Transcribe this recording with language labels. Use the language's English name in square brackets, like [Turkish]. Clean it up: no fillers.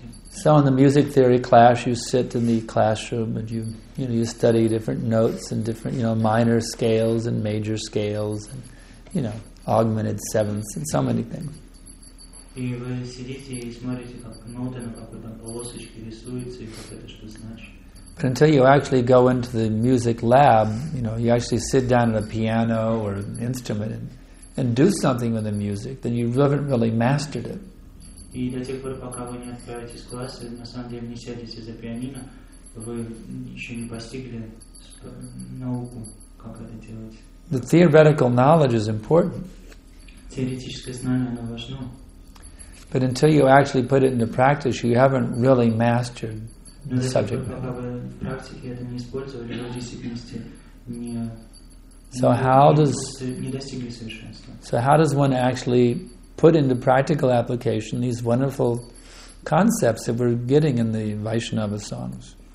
[English] So in the music theory class, you sit in the classroom and you study different notes and different, minor scales and major scales and, augmented sevenths and so many things. [Russian] И вы сидите и смотрите, как ноты на какой-то полосочке рисуются, и как это что значит. [English] But until you actually go into the music lab, you actually sit down at a piano or an instrument and do something with the music, then you haven't really mastered it. [Russian] И до тех пор, пока вы не отправитесь в класс, и на самом деле не сядете за пианино, вы еще не постигли науку, как это делать. [English] The theoretical knowledge is important. [Russian] Теоретическое знание, оно важно. [English] But until you actually put it into practice, you haven't really mastered [Russian] Но [English] the subject. [Russian] Пока вы в практике это не использовали, вы в действительности не... [English] So how does one actually put into practical application these wonderful concepts that we're getting in the Vaishnava songs?